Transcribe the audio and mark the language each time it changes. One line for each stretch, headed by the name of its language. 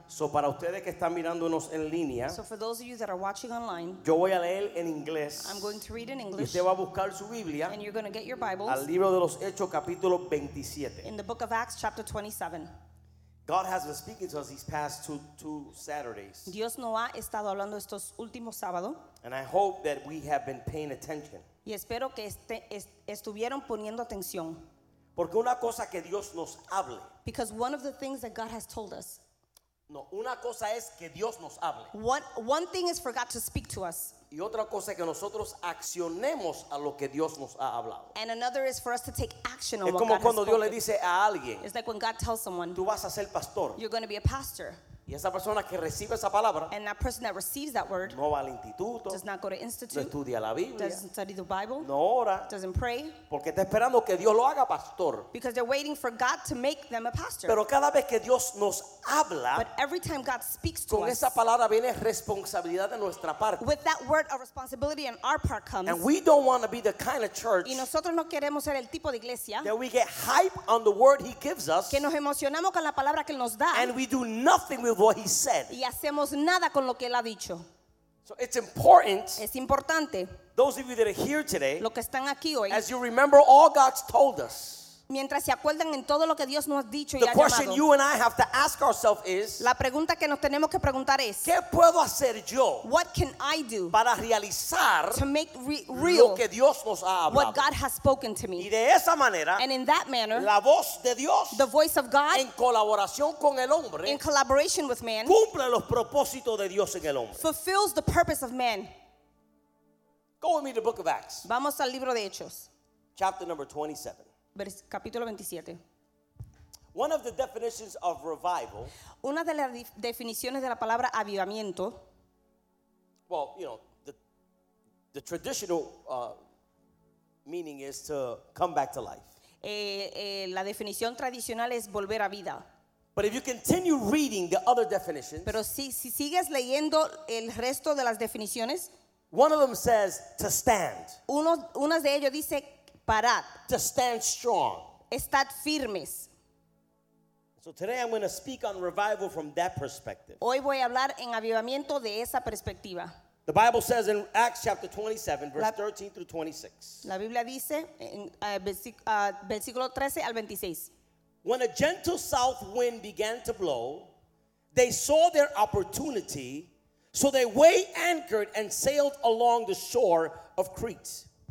Spanish: So para ustedes que están mirándonos en línea.
English: So for those of you that are watching online.
Spanish: Yo voy a leer en inglés.
English: I'm going to read in English.
Spanish: Y usted va a buscar su Biblia.
English: And you're going to get your Bibles.
Spanish: Al libro de los Hechos capítulo 27.
English: In the book of Acts chapter 27. God has been speaking to us these past two Saturdays.
Spanish: Dios nos ha estado hablando estos últimos sábados.
English: And I hope that we have been paying attention.
Spanish: Y espero que estuvieron poniendo atención. Porque una cosa que Dios nos hable.
English: Because one of the things that God has told us.
Spanish: No, una cosa es que Dios nos hable.
English: One thing is for God to speak to us.
Spanish: Y otra cosa es que nosotros accionemos a lo que Dios nos ha hablado.
English: And another is for us to take action on
Spanish: es
English: what God has spoken.
Spanish: Es como cuando Dios le dice a alguien.
English: It's like when God tells someone.
Spanish: Tú vas a ser pastor.
English: You're going to be a pastor.
Spanish: Y esa persona que recibe esa palabra.
English: And that person that receives that word.
Spanish: No va al instituto.
English: Does not go to institute.
Spanish: No estudia la Biblia.
English: Doesn't study the Bible.
Spanish: No ora.
English: Doesn't pray.
Spanish: Porque está esperando que Dios lo haga pastor.
English: Because they're waiting for God to make them a pastor.
Spanish: Pero cada vez que Dios nos habla.
English: But every time God speaks to
Spanish: con
English: us.
Spanish: Con esa palabra viene responsabilidad de nuestra parte.
English: With that word a responsibility on our part comes. And we don't want to be the kind of church.
Spanish: Y nosotros no queremos ser el tipo de iglesia.
English: That we get hype on the word he gives us.
Spanish: Que nos emocionamos con la palabra que él nos da.
English: And we do nothing with what he said.
Spanish: Y hacemos nada con lo que él ha dicho.
English: So it's important.
Spanish: Es importante.
English: Those of you that are here today.
Spanish: Lo que están aquí hoy.
English: As you remember all God's told us.
Spanish: Mientras se acuerdan en todo lo que Dios nos ha dicho y ha llamado.
English: The question you and I have to ask ourselves is.
Spanish: La pregunta que nos tenemos que preguntar es. ¿Qué puedo hacer yo?
English: What can I do?
Spanish: Para realizar.
English: To make real.
Spanish: Lo que Dios nos ha hablado.
English: What God has spoken to me.
Spanish: Y de esa manera.
English: And in that manner.
Spanish: La voz de Dios.
English: The voice of God.
Spanish: En colaboración con el hombre.
English: In collaboration with man.
Spanish: Cumple los propósitos de Dios en el hombre.
English: Fulfills the purpose of man. Go with me to the book of Acts.
Spanish: Vamos al libro de Hechos.
English: Chapter number 27.
Spanish: Capítulo 27.
English: One of the definitions of revival.
Spanish: Una de las definiciones de la palabra avivamiento.
English: Well, you know, the traditional meaning is to come back to life.
Spanish: La definición tradicional es volver a vida.
English: But if you continue reading the other definitions.
Spanish: Pero si sigues leyendo el resto de las definiciones.
English: One of them says to stand.
Spanish: Unas de ellos dice parad.
English: To stand strong.
Spanish: Estad firmes.
English: So today I'm going to speak on revival from that perspective.
Spanish: Hoy voy a hablar en avivamiento de esa perspectiva.
English: The Bible says in Acts chapter 27, verse 13 through 26.
Spanish: La Biblia dice en versículo 13 al 26.
English: When a gentle south wind began to blow, they saw their opportunity, so they weighed anchored and sailed along the shore of Crete.